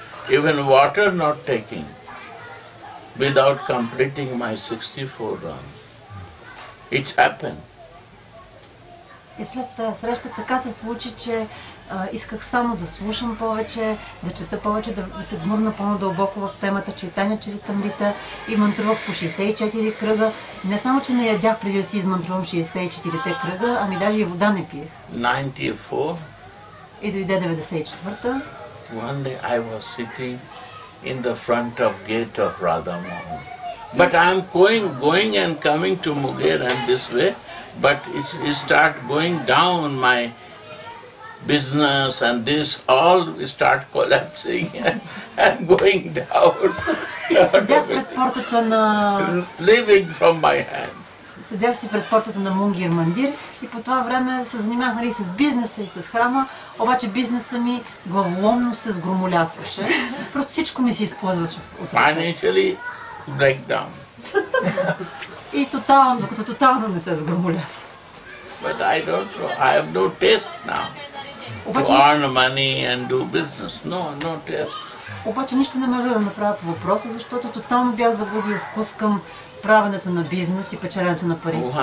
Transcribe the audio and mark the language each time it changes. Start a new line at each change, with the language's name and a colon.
English: even water not taking, without completing my 64 rounds. It happened.
Bulgarian: И след среща така се случи, че исках само да слушам повече, да чета повече, да се гмурна по-надълбоко в темата Чайтанья Чаритамрита и мантрувах по 64 кръга. Не само, че не ядях преди да си измантрувам 64-те кръга, ами даже и вода не пиех.
English: 94.
Bulgarian: И дойде 94-та.
English: One day I was sitting in the front of gate of Radha Mohan. But I am going and coming to Mugher and this way, but it start going down, my business and this all start collapsing and going down.
Bulgarian: Седях пред портата на...
English: Leaving from my hand.
Bulgarian: Седях си пред портата на Мунгир Мандир и по това време се занимах, нали, с бизнеса и с храма, обаче бизнеса ми главоломно се сгромолясваше. Просто всичко ми се използваше от ръце.
English: Breakdown.
Bulgarian: И тотално, докато тотално не се сгромоляс.
English: But I don't know. I have no taste now.
Bulgarian: Обаче,
English: to earn money and do business. No taste.
Bulgarian: Обаче нищо не може да направя по въпроса, защото тотално бях загубил вкус към правенето на бизнес и печеленето на пари.